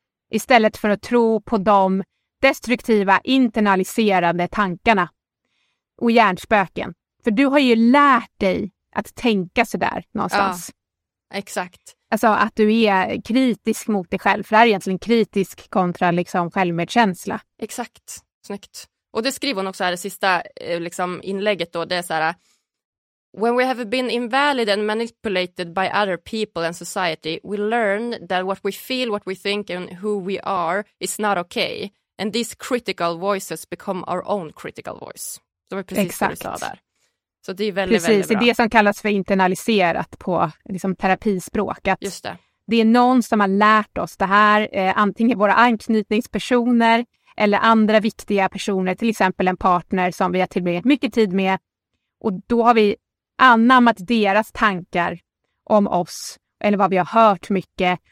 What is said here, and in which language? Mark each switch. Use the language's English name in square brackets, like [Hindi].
[Swedish] Istället för att tro på de destruktiva, internaliserande tankarna och hjärnspöken. För du har ju lärt dig att tänka sådär någonstans. Ja, exakt. Alltså att du är kritisk mot dig själv. För det är egentligen kritisk kontra liksom självmedkänsla. Exakt, snyggt. Och det skriver hon också här i sista liksom, inlägget då. Det är så här: [English] when we have been invalid and manipulated by other people and society, we learn that what we feel, what we think and who we are is not okay. And these critical voices become our own critical voice. [Swedish] Det var precis exakt det du sa där. Så det är väldigt, precis, väldigt bra. Det är det som kallas för internaliserat på liksom, terapispråk. Att just det. Det är någon som har lärt oss det här, antingen våra anknytningspersoner eller andra viktiga personer, till exempel en partner som vi har tillbringat mycket tid med. Och då har vi anammat deras tankar om oss eller vad vi har hört mycket.